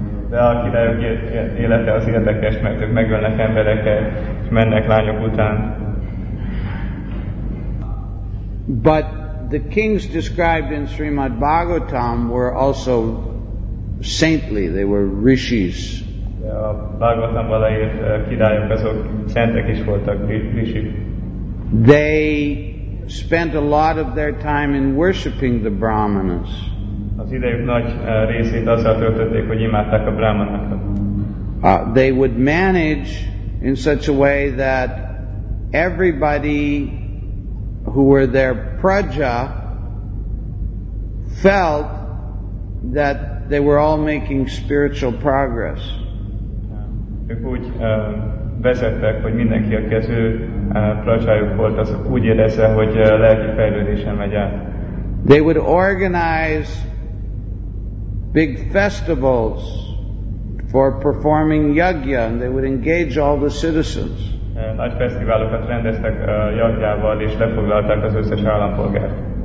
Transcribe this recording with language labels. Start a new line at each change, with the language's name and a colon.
Hungarian: De a királyok élete az érdekes, mert ők megölnek embereket, és mennek lányok után.
English: But the kings described in Srimad Bhagavatam were also saintly, they were rishis.
Hungarian: De a Bhagavatamban leírt királyok azok szentek is voltak, rishik.
English: They spent a lot of their time in worshipping the brahmanas.
Hungarian: Az idejük nagy részét azzal töltötték, hogy imádták a brahmanokat.
English: They would manage in such a way that everybody who were their praja felt that they were all making spiritual progress.
Hungarian: Ők úgy vezettek, hogy mindenki, aki az ő prajájuk volt, az úgy érezze, hogy lelki fejlődésen megy át.
English: They would organize big festivals for performing yagya, and they would engage all the citizens.
Hungarian: Nagy fesztiválokat rendeztek yagyával, és lefoglalták az összes állampolgárt.